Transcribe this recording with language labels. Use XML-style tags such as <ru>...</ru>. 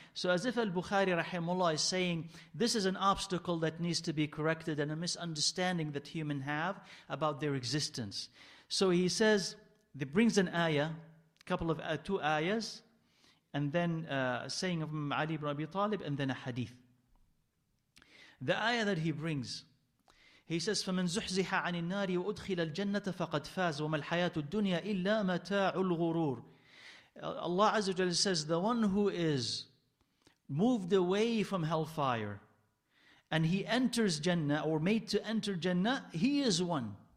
<en>So as if al-Bukhari rahimullah is saying, this is an obstacle that needs to be corrected and a misunderstanding that humans have about their existence. So he says, he brings an ayah, two ayahs, and then saying of Ali ibn Abi Talib, and then a hadith. The ayah that he brings, he says,</en> <ar>فَمَنْ زُحْزِحَ عَنِ النَّارِ وَأُدْخِلَ الْجَنَّةَ فَقَدْ فَازَ وَمَا الْحَيَاةُ الدُّنْيَا إِلَّا مَتَاعُ الْغُرُورِ.</ar> <en>Allah Azza wa Jalla says, the one who is moved away from hellfire, and he enters Jannah, or made to enter Jannah, he is one.</en>